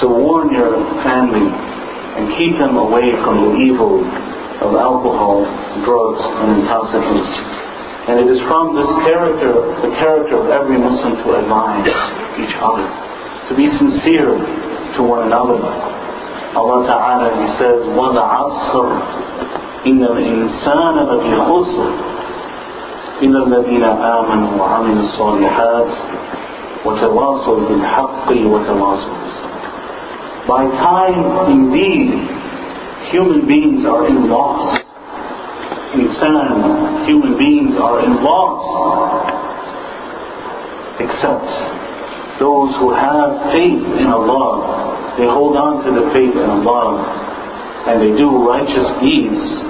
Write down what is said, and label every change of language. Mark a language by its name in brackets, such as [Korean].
[English] So warn your family and keep them away from the evil of alcohol, drugs, and intoxicants. And it is from this character, the character of every Muslim, to admire each other, to be sincere to one another. Allah Ta'ala, He says, [Arabic] وَلَعَصَّرْ إِنَّ الْإِنسَانَ لَفِي خُسْرٍ إِلَّا الَّذِينَ آمَنُوا وَعَمِلُوا الصَّالِحَاتِ وَتَوَاصَوْا بِالْحَقِّ وَتَوَاصَوْا بِالصَّبْرِ. [English] By time, indeed, human beings are in loss. Insan, human beings are in loss. Except those who have faith in Allah, they hold on to the faith in Allah, and they do righteous deeds.